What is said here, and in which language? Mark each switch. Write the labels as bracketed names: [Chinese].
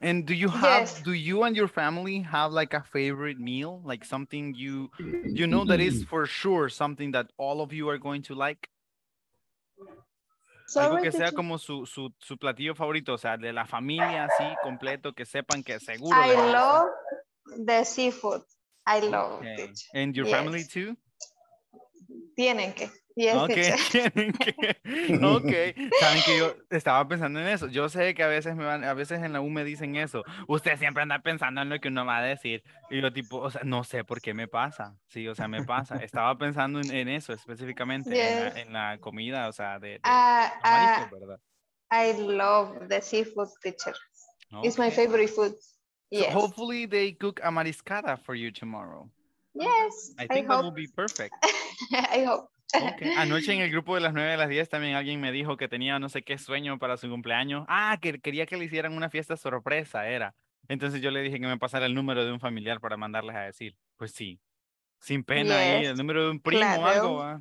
[English] And do you have, do you and your family have like a favorite meal? Like something you know that is for sure something that all of you are going to like? [Spanish] Algo que sea como su platillo favorito, o sea, de la familia así completo, que sepan que seguro. [English] I love the seafood. I love it. And your family too? [Spanish] Tienen que. [English] Yes, [Spanish] okay, tienen que. Okay. Saben que yo estaba pensando en eso. Yo sé que a veces me van, a veces en la U me dicen eso. Usted siempre anda pensando en lo que uno va a decir. Y yo tipo, o sea, no sé por qué me pasa. Sí, o sea, me pasa. Estaba pensando en eso específicamente, en la comida, o sea, de marisco, ¿verdad? [English] I love the seafood, teacher. Okay. It's my favorite food. Yes. So hopefully they cook a mariscada for you tomorrow. Yes. I think that will be perfect. I hope. Okay. [Spanish] Anoche en el grupo de las 9 de las 10 también alguien me dijo que tenía no sé qué sueño para su cumpleaños. Ah, que quería que le hicieran una fiesta sorpresa, era. Entonces yo le dije que me pasara el número de un familiar para mandarles a decir. Pues sí, sin pena ahí, el número de un primo o algo. ¿Eh?